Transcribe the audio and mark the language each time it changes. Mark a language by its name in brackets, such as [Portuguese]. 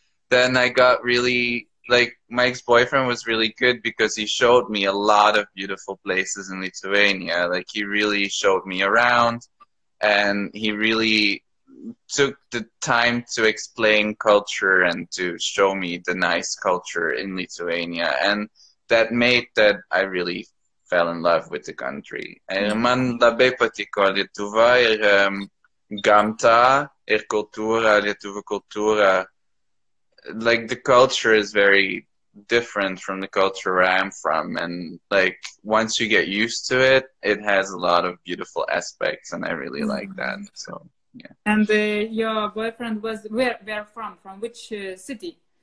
[English] And then I got really, like my ex-boyfriend was really good because he showed me a lot of beautiful places in Lithuania. Like he really showed me around and he really took the time to explain culture and to show me the nice culture in Lithuania. And that made that I really fell in love with the country. [Lithuanian] Ir man labai patiko Lietuva ir gamta ir kultūra, Lietuvų kultūra. [English] Like the culture is very different from the culture where I'm from. And like once you get used to it, it has a lot of beautiful aspects. And I really like that. So. Yeah. And your boyfriend was where from? From which city?